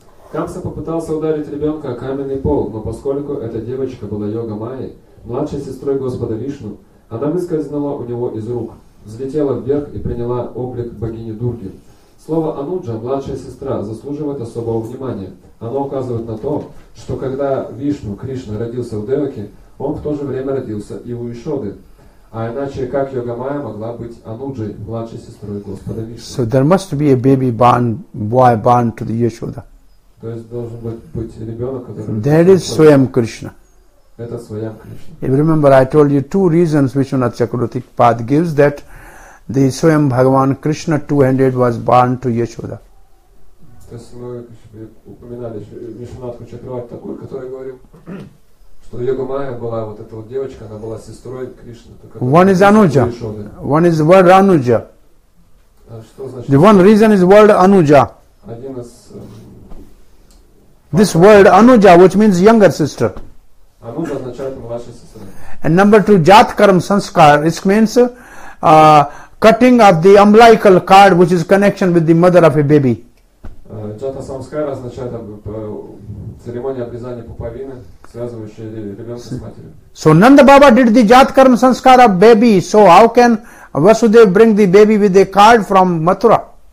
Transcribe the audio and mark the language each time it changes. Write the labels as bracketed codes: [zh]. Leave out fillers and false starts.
[ru] Камса попытался ударить ребенка о каменный пол, но поскольку эта девочка была Йогамаей, младшей сестрой Господа Вишну, она выскользнула у него из рук, взлетела вверх и приняла облик богини Дурги. Слово Ануджа, младшая сестра, заслуживает особого внимания. Оно указывает на то, что когда Вишну, Кришна, родился у Деваки, он в то же время родился и у Яшоды. А иначе как Йогамая могла быть Ануджей, младшей сестрой Господа Вишну? [en] So there must be a baby born, boy born to the Yashoda. [ru] То есть должен быть ребенок, который... [en] That is Swayam Krishna. [ru] Это Swayam Krishna. [en] If you remember, I told you two reasons Vishwanath Chakravarti Pad gives, that the Swayam Bhagavan Krishna 200 was born to Yashoda. [ru] То есть мы упоминали Вишванатху Чакравати Такур, который говорил, что Йогамая была вот эта вот девочка, она была сестрой Кришны. [en] One is Anuja. One is the word Anuja. [ru] Что значит? [en] The one reason is word Anuja. [ru] Один из... [en] This word Anuja, which means younger sister. [ru] Anuja означает младшая сестра. [en] And number two, Jatkaram Sanskar, which means cutting of the umbilical cord, which is connection with the mother of a baby. [ru] Jata Sanskar означает церемония обрезания пуповины, связывающая ребенка с матерью. [en] So Nanda Baba did the Jatkaram Sanskar of baby, so how can Vasudev bring the baby with a cord from Mathura?